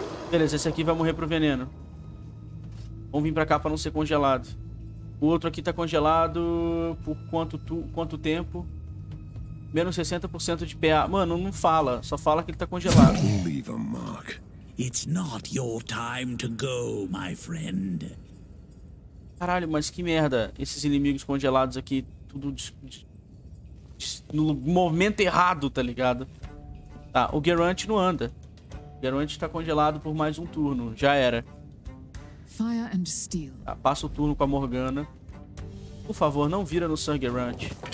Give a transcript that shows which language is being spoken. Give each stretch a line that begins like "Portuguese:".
Portuguese: Beleza, esse aqui vai morrer pro veneno. Vamos vir pra cá pra não ser congelado. O outro aqui tá congelado por quanto tempo? Menos 60% de PA. Mano, não fala, só fala que ele tá congelado.
English: Leave a mark. It's not your time to go, my friend.
Portuguese: Caralho, mas que merda. Esses inimigos congelados aqui, tudo no movimento errado, tá ligado? Tá, o Geralt não anda. O Geralt tá congelado por mais um turno. Já era.
English: Fire and steel.
Portuguese: Tá, passa o turno com a Morgana. Por favor, não vira no Sir Geralt.